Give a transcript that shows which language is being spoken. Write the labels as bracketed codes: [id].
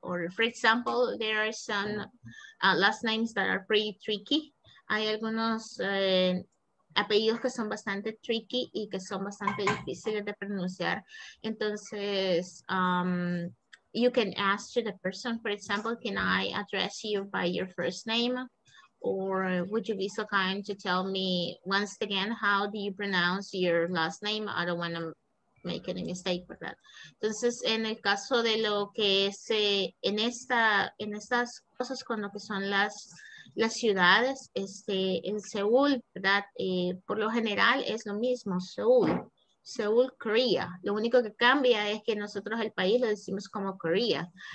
[en] Or, for example, there are some last names that are pretty tricky. [es] Hay algunos apellidos que son bastante tricky y que son bastante difíciles de pronunciar. [en] Entonces, you can ask to the person, for example, can I address you by your first name? Or would you be so kind to tell me once again, how do you pronounce your last name? I don't want to make any mistake with that. [es] Entonces, en el caso de lo que es en estas cosas con lo que son las ciudades, en Seúl, ¿verdad? Por lo general es lo mismo, Seúl, Corea. Lo único que cambia es que nosotros el país lo decimos como Corea.